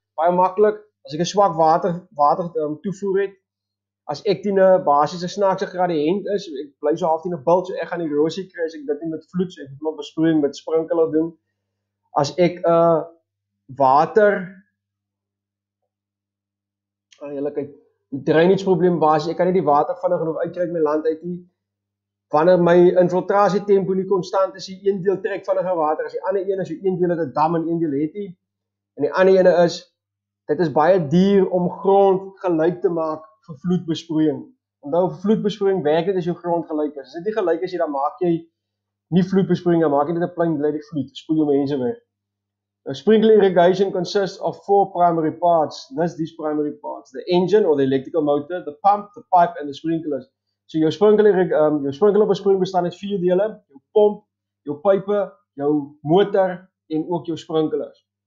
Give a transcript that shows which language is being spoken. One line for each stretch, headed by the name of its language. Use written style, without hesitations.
Afrikaans: Baie maklik, as ek 'n swak water toevoer het, as ek teen 'n basiese snaakse gradiënt is, ek bly so half teen 'n bult, so ek gaan erosie kry as ek dit nie met vloed, so ek moet maar besproeiing met sprinkler doen. As ek 'n die drainage probleem was, ek kan nie die water vinnig genoeg uitkry my land uit nie. Wanneer my infiltrasie tempo nie konstant is, die een deel trek vinniger water as die ander een, as jy een deel het 'n dam en een deel het nie. En die ander ene is, dit is baie duur om grond gelyk te maak vir vloedbesproeiing. Onthou, vloedbesproeiing werk net as jou grond gelyk is. As dit nie gelyk is nie, dan maak jy nie vloedbesproeiing, dan maak jy net 'n plein bly die vloed, spoel jou mense weg.
English: A sprinkler irrigation consists of four primary parts. List these primary parts: the engine or the electrical motor, the pump, the pipe, and the sprinklers.
Afrikaans: So jou sprinkler, jou sprinkler besproeiing bestaan uit 4 dele, jou pomp, jou pype, jou motor en ook jou sprinklers.